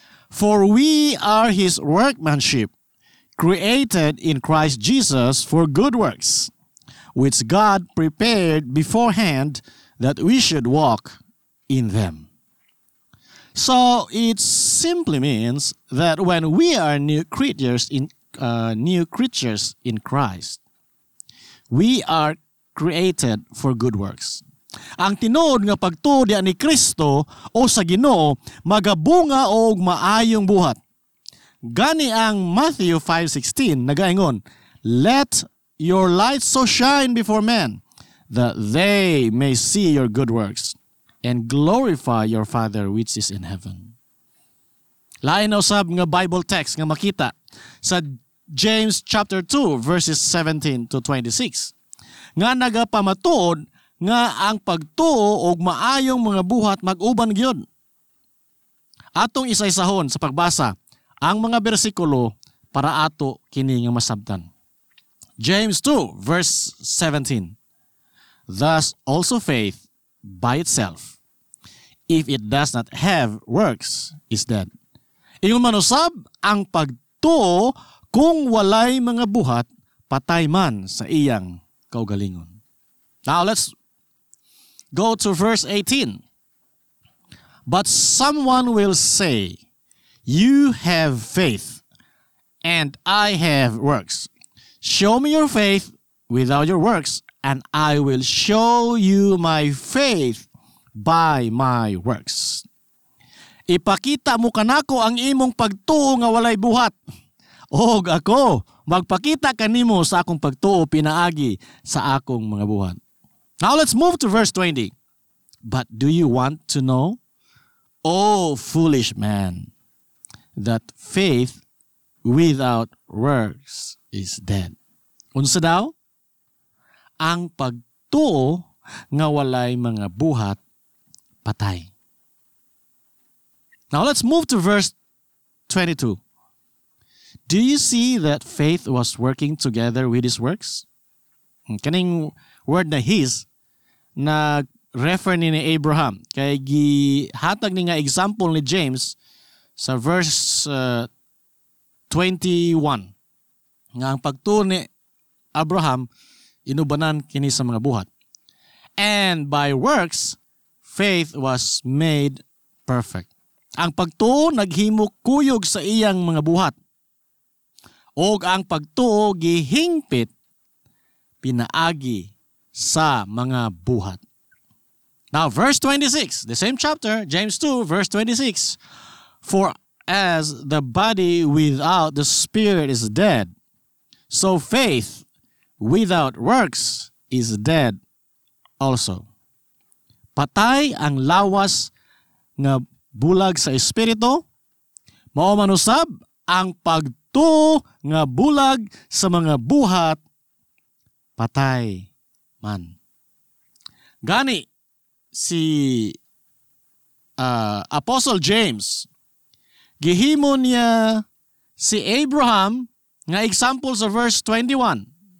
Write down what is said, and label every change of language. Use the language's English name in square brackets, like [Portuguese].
[English] "For we are his workmanship, created in Christ Jesus for good works, which God prepared beforehand that we should walk in them." So it simply means that when we are new creatures in Christ, we are created for good works. [Cebuano] Ang tinuod nga pagtudya ni Kristo o sa Ginoo magabunga og maayong buhat. Gani ang Matthew 5:16 nagaingon, [English] "Let your light so shine before men that they may see your good works and glorify your Father which is in heaven." [Cebuano] Lain usab nga Bible text nga makita sa James chapter 2 verses 17 to 26 nga nagapamatud nga ang pagtuo og maayong mga buhat maguban gyud. Atong isaysahon sa pagbasa ang mga bersikulo para ato kini nga masabtan. [English] James 2 verse 17. "Thus also faith by itself, if it does not have works, is dead." [Cebuano] Ingon man usab ang pagtuo kung walay mga buhat, patay man sa iyang kaugalingon. [English] Now let's go to verse 18. "But someone will say, you have faith and I have works. Show me your faith without your works and I will show you my faith by my works." [Cebuano] Ipakita mo kanako ang imong pagtuo nga walay buhat. Og ako, magpakita kanimo sa akong pagtuo pinaagi sa akong mga buhat. [English] Now let's move to verse 20. But do you want to know, O foolish man, that faith without works is dead? [Cebuano] Unsa daw? Ang pagtuo nga walay mga buhat, patay. [English] Now let's move to verse 22. Do you see that faith was working together with his works? [Cebuano] Kaning word na his, nag-refer ni Abraham. Kay gihatag ni nga example ni James sa verse 21. Nga ang pagtuo ni Abraham, inubanan kini sa mga buhat. [English] And by works, faith was made perfect. [Cebuano] Ang pagtuo naghimo kuyog sa iyang mga buhat. Og ang pagtuo gihingpit pinaagi sa mga buhat. [English] Now verse 26, the same chapter, James 2 verse 26. For as the body without the spirit is dead, so faith without works is dead also. [Cebuano] Patay ang lawas nga bulag sa espiritu, mao man usab ang pagtuo nga bulag sa mga buhat, patay man. Gani si Apostle James gihimo niya si Abraham nga example sa verse 21.